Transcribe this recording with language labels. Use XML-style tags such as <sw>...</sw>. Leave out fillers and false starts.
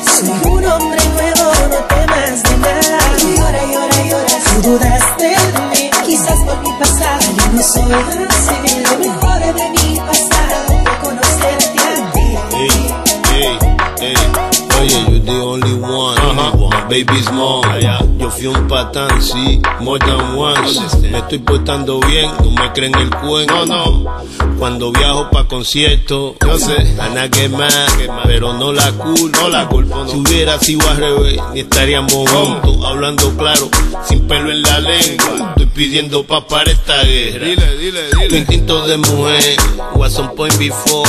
<es>Soy un hombre nuevo, no temas de nada. Tú llora, llora, llora. Tú dudaste de mí, quizás por mi pasado. Yo no soy así. Lo mejor de mi pasado fue conocerte a ti. Hey, hey, hey.</es> <en>Yeah, you the only one, uh-huh. My baby's mom, yo fui un patán, sí, more than once.</en> <es>Me estoy portando bien, tú me crees en el cuento. No, cuando viajo pa' concierto, yo sé, Ana que más, pero no la culpo, no la culpo, no. Si hubiera sido al revés, ni estaríamos juntos, hablando claro, sin pelo en la lengua. Estoy pidiendo pa' para esta guerra. Dile, dile, dile. Tu instinto de mujer, was on point before,</es>